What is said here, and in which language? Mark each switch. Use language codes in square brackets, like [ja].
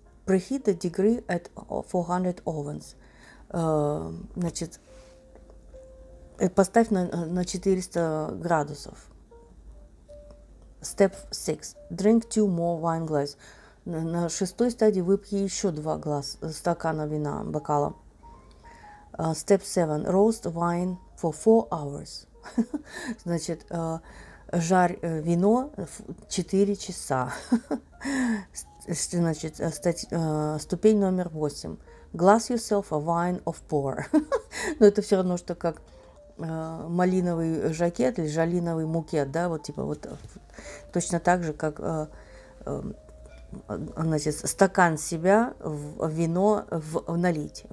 [en] Preheat the degree at 400 ovens. [ru] Значит, поставь на 400 градусов. [en] Step 6. Drink two more wine glasses. [ru] На шестой стадии выпьешь еще два стакана вина, бокала. [en] Step 7. Roast wine for 4 hours. [ru] Значит, жарь вино 4 часа. Значит, ступень номер 8. [en] Glass yourself a wine of pour. [ru] Но это все равно, что как малиновый жакет или жалиновый мукет, да, вот типа вот точно так же, как значит, стакан себя в вино в налить.